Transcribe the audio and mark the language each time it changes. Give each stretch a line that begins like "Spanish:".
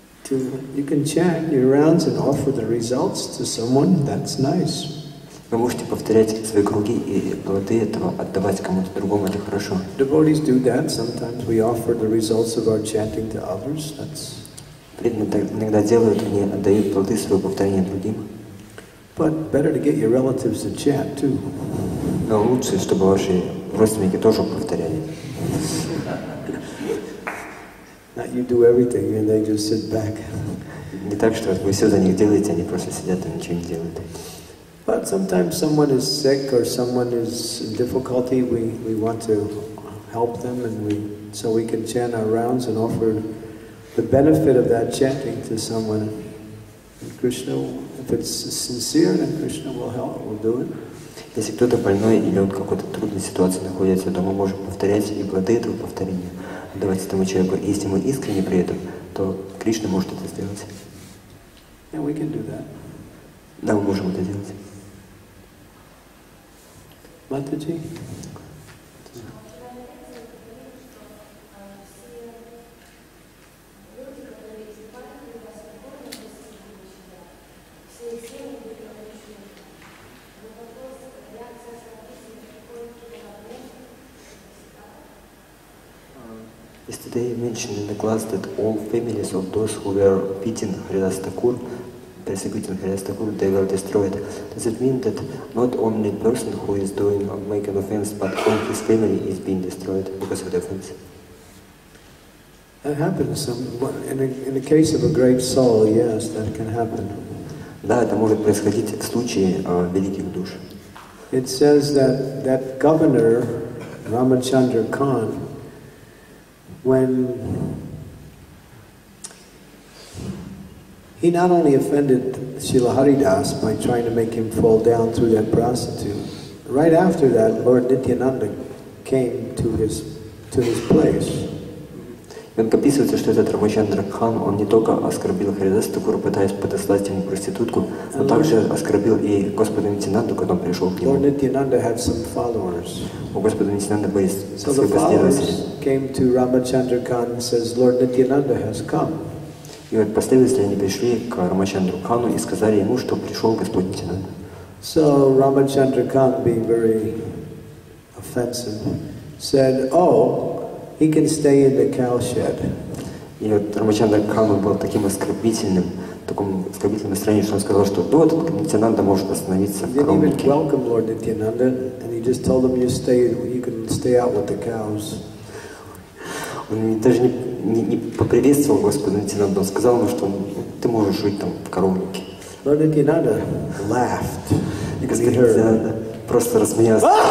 English: You can chant your rounds and offer the results to someone. That's nice.
Russian: Вы можете повторять свои круги и плоды этого отдавать кому-то другому. Это хорошо.
English: Devotees do that. Sometimes we offer the results of our chanting to others. That's.
Russian: Иногда делают, они отдают плоды своего повторения другим.
English: But better to get your relatives to chant too.
Russian: Но лучше, чтобы ваши родственники тоже повторяли.
English: Not you do everything and they just sit back.
Russian: Не так, что вы все за них делаете, они просто сидят и ничего не делают.
English: But sometimes someone is sick or someone is in difficulty, we want to help them and so we can chant our rounds and offer the benefit of that chanting to someone. Krishna, if it's sincere, then Krishna will help. We'll do it.
Russian: Если кто-то больной или он в какой-то трудной ситуации находится, то мы можем повторять и плоды этого повторения. Давайте этому человеку, если мы искренне при этом, то Кришна может это сделать.
English: Yeah, we can do that.
Russian: Да, мы можем это сделать. Матаджи.
English: Yesterday you mentioned in the class that all families of those who were beating Haridasa Thakur, persecuting Haridasa Thakur, they were destroyed. Does it mean that not only the person who is doing making offense, but all his family is being destroyed because of the offense? That happens. In the case of a great soul, yes, that can happen.
Russian: Да, это может происходить в случае великих душ.
English: It says that that governor, Ramachandra Khan, when he not only offended Srila Haridas by trying to make him fall down through that prostitute, right after that, Lord Nityananda came to his place.
Russian: Он описывается, что этот Рамачандра Кхан, он не только оскорбил Харидаса Такур, пытаясь подослать ему проститутку, но также оскорбил и Господа Нитинанду, когда он пришел к нему.
English: Lord Nityananda had some followers.
Russian: У Господа Нитинанда были последователи. И вот последователи они пришли к Рамачандру Кхану и сказали ему, что пришел Господь Нитинанда.
English: So Ramachandra Khan, being very offensive, said, "Oh, he can stay in the cow shed."
Russian: И вот Рамачандра Кхан был таким оскорбительным, таком оскорбительном настроении, что он сказал, что ну вот Нитянанда может остановиться в коровнике.
English: He didn't even welcome Lord Nityananda, and he just told him, you can stay out with the cows.
Russian: Он даже не поприветствовал Господа Нитянанда, он сказал ему, что ты можешь жить там в коровнике.
English: Lord Nityananda laughed.
Russian: И Господь Нитянанда просто рассмеялся.